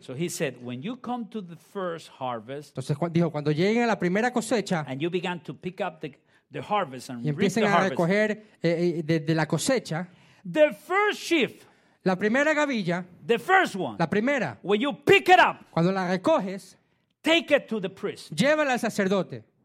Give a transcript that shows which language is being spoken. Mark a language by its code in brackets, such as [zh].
[en] So he said, when you come to the first harvest, [es] entonces dijo, cuando lleguen a la primera cosecha, [en] and you began to pick up the harvest and [es] y empiecen [en] reap the [es] a recoger de la cosecha, [en] the first sheaf, [es] la primera gavilla, [en] the first one, [es] la primera, [en] when you pick it up, [es] cuando la recoges, [en] take it to the priest, [es] llévala al sacerdote.